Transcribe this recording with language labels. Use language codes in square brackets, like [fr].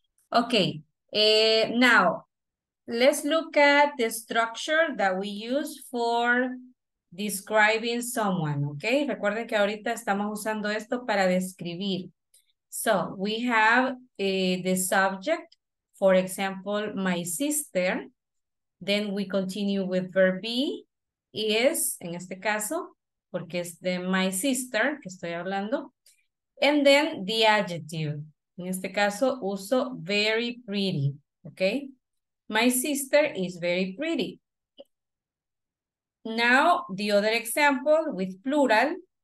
[en] Okay, now let's look at the structure that we use for describing someone, okay? [es] Recuerden que ahorita estamos usando esto para describir. [en] So, we have the subject, for example, my sister. Then we continue with verb be. Is, [es] en este caso, porque es de [en] my sister, [es] que estoy hablando. [en] And then the adjective. [es] En este caso uso [en] very pretty, okay? My sister is very pretty. Now, the other example with plural.